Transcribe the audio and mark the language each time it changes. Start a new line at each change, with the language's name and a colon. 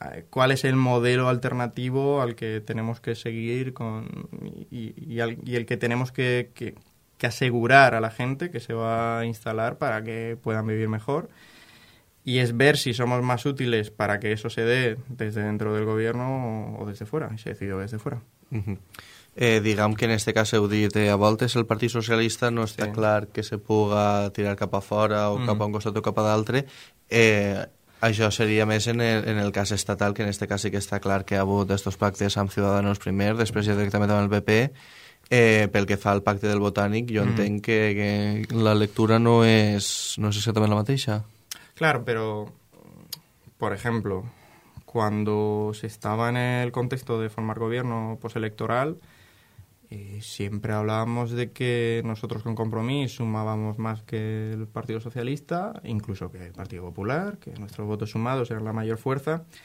Spanish: cuál es el modelo alternativo al que tenemos que seguir con y el que tenemos que asegurar a la gente que se va a instalar para que puedan vivir mejor. Y es ver si somos más útiles para que eso se dé desde dentro del gobierno o desde fuera, y se decide desde fuera. Uh-huh. Digamos que en este caso
Catalan: heu dit, a voltes el Partit Socialista no està sí. clar que se puga tirar cap a fora o cap a un costat o cap a d'altre. Això seria més en el cas estatal, que en este cas sí que està clar que ha hagut estos pactes amb Ciudadanos primer, després ja directament amb el PP. Pel que fa al pacte del Botànic, jo entenc que la lectura no és exactament la mateixa.
Spanish: Claro, pero, por ejemplo, cuando se estaba en el contexto de formar gobierno postelectoral, siempre hablábamos de que nosotros con Compromís sumábamos más que el Partido Socialista, incluso que el Partido Popular, que nuestros votos sumados eran la mayor fuerza.